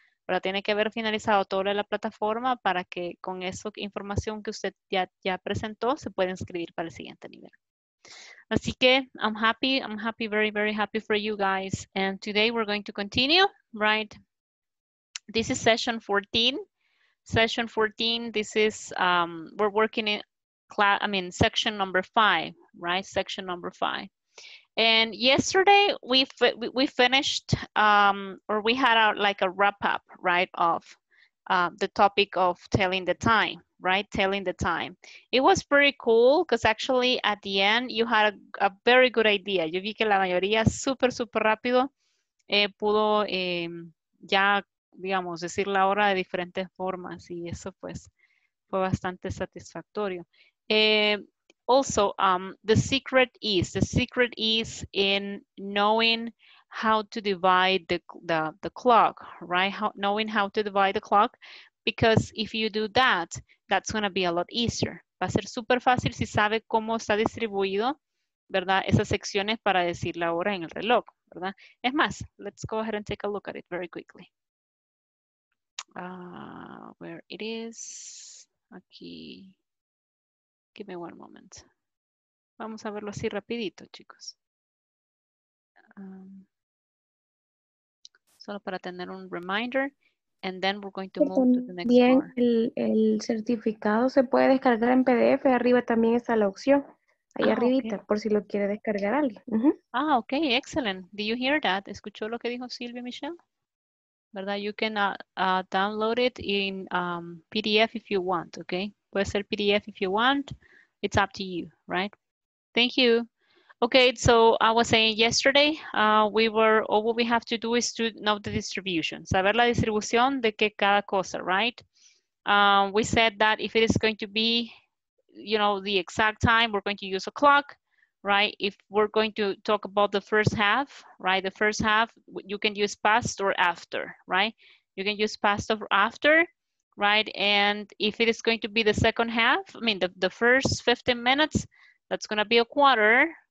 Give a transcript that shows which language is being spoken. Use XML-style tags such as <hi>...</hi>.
<es>Pero tiene que haber finalizado todo la plataforma para que con esa información que usted ya presentó se pueda inscribir para el siguiente nivel. Así que</es> <en>I'm happy, very, very happy for you guys. And today we're going to continue, right? This is session 14. Session 14, this is, we're working in class, I mean, section number five, right? Section number five. And yesterday we finished, or we had a wrap up, right, of the topic of telling the time. Right, telling the time. It was pretty cool because actually at the end you had a very good idea.</en> <es>Yo vi que la mayoría super, super rápido pudo ya, digamos, decir la hora de diferentes formas y eso pues fue bastante satisfactorio.</es> <en>Also, the secret is in knowing how to divide the clock, right? Knowing how to divide the clock. Because if you do that, that's going to be a lot easier.</en> <es>Va a ser super fácil si sabe cómo está distribuido, ¿verdad? Esas secciones para decir la hora en el reloj, ¿verdad? Es más,</es> <en>let's go ahead and take a look at it very quickly. Where it is? Aquí. Give me one moment.</en> <es>Vamos a verlo así rapidito, chicos. Solo para tener un reminder.</es> <en>And then we're going to move to the next</en> <es>bien,</es> <en>part.</en> <es>El certificado se puede descargar en PDF. Arriba también está la opción. Ahí arribita, okay. Por si lo quiere descargar alguien.</es> <en>Uh-huh. Ah, okay, excellent. Did you hear that?</en> <es>¿Escuchó lo que dijo Silvia Michelle? ¿Verdad?</es> <en>You can download it in PDF if you want, okay?</en> <es>Puede ser PDF</es> <en>if you want. It's up to you, right? Thank you. Okay, so I was saying yesterday, what we have to do is to know the distribution.</en> <es>Saber la distribución de que cada cosa, right?</es> <en>We said that if it is going to be, you know, the exact time, we're going to use a clock, right? If we're going to talk about the first half, right? The first half, you can use past or after, right? You can use past or after, right? And if it is going to be the second half, I mean, the first 15 minutes, that's gonna be a quarter.</en>